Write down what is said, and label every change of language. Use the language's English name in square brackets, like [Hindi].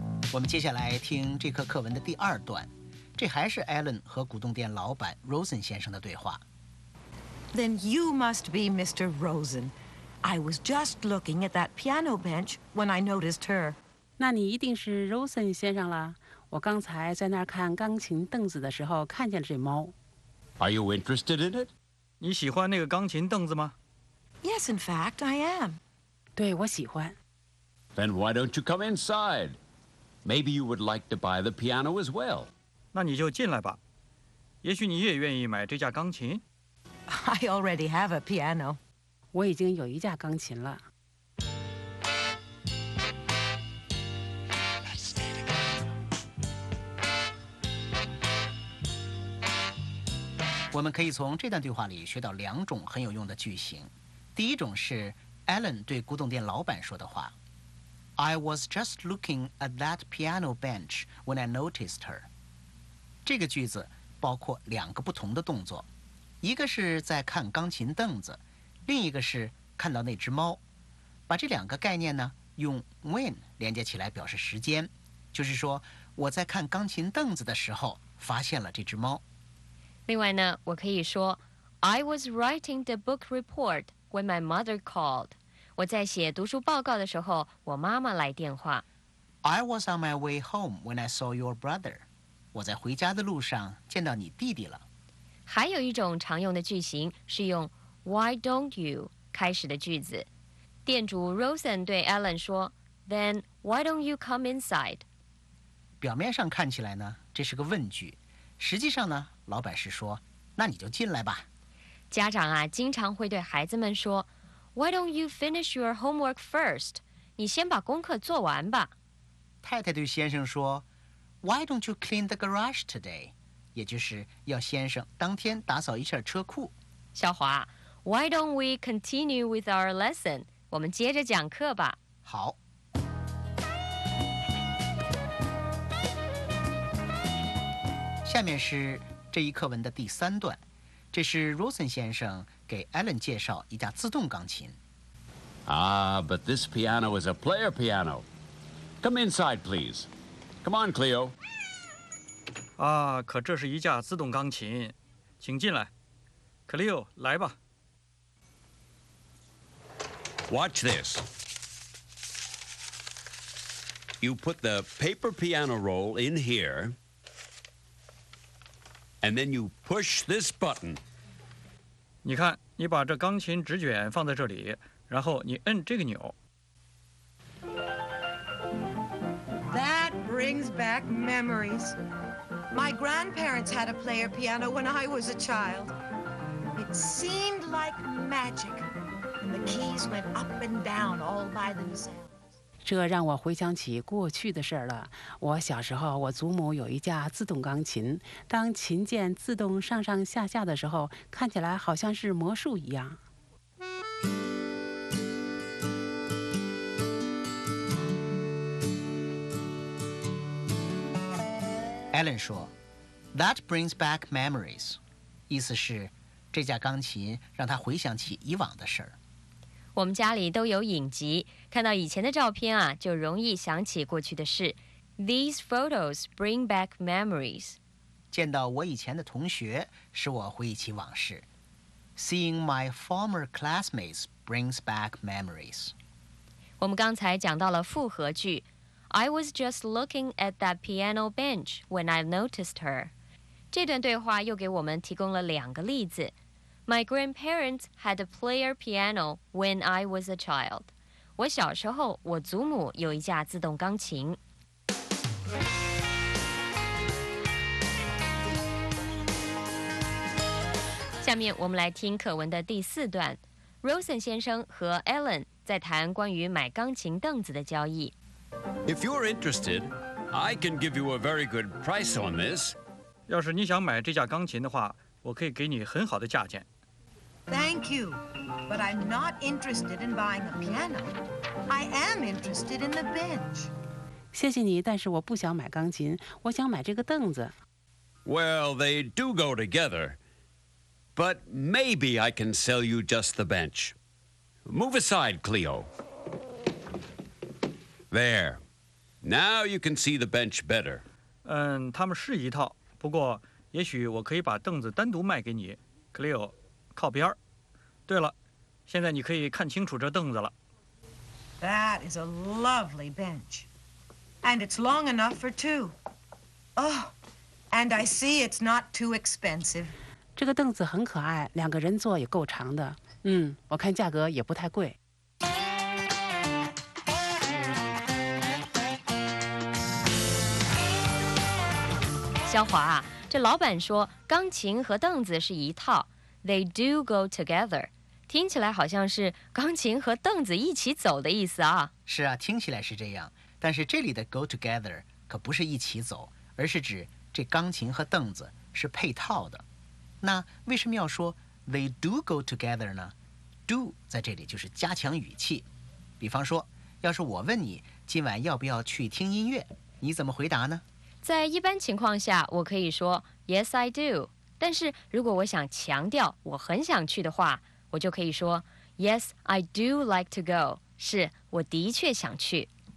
[Chinese] 我们接下来听这课课文的第二段。这还是 Alan 和古董店老板 Rosen 先生的对话。 [English] Then you must be Mr. Rosen. I was just looking at that piano bench when I noticed her. [Chinese] 那你一定是 Rosen 先生了。我刚才在那儿看钢琴凳子的时候看见了这猫。 [English] Are you interested in it? [Chinese] 你喜欢那个钢琴凳子吗？ [English] Yes, in fact, I am. [Chinese] 对，我喜欢。 [English] Then why don't you come inside? Maybe you would like to buy the piano as well. [Chinese] 那你就进来吧。也许你也愿意买这架钢琴。 [English] I already have a piano. [Chinese] 我已经有一架钢琴了。我们可以从这段对话里学到两种很有用的句型。第一种是 Alan 对古董店老板说的话。 [English] I was just looking at that piano bench when I noticed her. [Chinese] 这个句子包括两个不同的动作，一个是在看钢琴凳子，另一个是看到那只猫。把这两个概念呢，用 when 连接起来表示时间，就是说我在看钢琴凳子的时候发现了这只猫。另外呢，我可以说 [English] I was writing the book report when my mother called. [Chinese] 我在写读书报告的时候，我妈妈来电话。 [English] I was on my way home when I saw your brother. [Chinese] 我在回家的路上见到你弟弟了。还有一种常用的句型是用 Why don't you 开始的句子。店主 Rosen 对 Alan 说 [English] Then why don't you come inside? [Chinese] 表面上看起来呢，这是个问句。实际上呢，老板是说，那你就进来吧。家长啊，经常会对孩子们说 [English] Why don't you finish your homework first? [Chinese] 你先把功课做完吧。太太对先生说 [English] Why don't you clean the garage today? [Chinese] 也就是要先生当天打扫一下车库。小华 [English] Why don't we continue with our lesson? [Chinese] 我们接着讲课吧。好。下面是这一课文的第三段。这是 Rosen 先生给 Alan 介绍一架自动钢琴。 [English] Ah, but this piano is a player piano. Come inside, please. Come on, Cleo. [Chinese] 啊，可这是一架自动钢琴，请进来。 Cleo, 来吧。 [English] Watch this. You put the paper piano roll in here, and then you push this button. [Chinese] 你看，你把这钢琴纸卷放在这里，然后你摁这个钮。 [English] That brings back memories. My grandparents had a player piano when I was a child. It seemed like magic, and the keys went up and down all by themselves. [Chinese] 这让我回想起过去的事了。我小时候，我祖母有一架自动钢琴，当琴键自动上上下下的时候，看起来好像是魔术一样。 Alan 说 ， [English] That brings back memories， [Chinese] 意思是这架钢琴让他回想起以往的事儿。我们家里都有影集，看到以前的照片啊，就容易想起过去的事。 [English] These photos bring back memories. [Chinese] 见到我以前的同学，使我回忆起往事。 [English] Seeing my former classmates brings back memories. [Chinese] 我们刚才讲到了复合句。 [English] I was just looking at that piano bench when I noticed her. [Chinese] 这段对话又给我们提供了两个例子。 [English] My grandparents had a player piano when I was a child. [Chinese] 我小时候，我祖母有一架自动钢琴。下面我们来听课文的第四段。Rosen 先生和 Alan 在谈关于买钢琴凳子的交易。 [English] If you're interested, I can give you a very good price on this. [Chinese] 要是你想买这架钢琴的话，我可以给你很好的价钱。 [English] Thank you, but I'm not interested in buying a piano. I am interested in the bench. [Chinese] 谢谢你，但是我不想买钢琴，我想买这个凳子。 [English] Well, they do go together. But maybe I can sell you just the bench. Move aside, Cleo. There. Now you can see the bench better. [Chinese] 嗯，他们是一套，不过也许我可以把凳子单独卖给你。 Cleo， 靠边。对了，现在你可以看清楚这凳子了。 [English] That is a lovely bench. And it's long enough for two. Oh, and I see it's not too expensive. [Chinese] 这个凳子很可爱，两个人坐也够长的。嗯，我看价格也不太贵。肖华啊，这老板说钢琴和凳子是一套， [English] They do go together， [Chinese] 听起来好像是钢琴和凳子一起走的意思啊。是啊，听起来是这样，但是这里的 go together 可不是一起走，而是指这钢琴和凳子是配套的。那为什么要说 [English] They do go together [Chinese] 呢？ Do 在这里就是加强语气。比方说，要是我问你今晚要不要去听音乐，你怎么回答呢？在一般情况下我可以说 [English] Yes, I do， [Chinese] 但是如果我想强调我很想去的话，我就可以说 [English] Yes, I do like to go， [Chinese] 是我的确想去。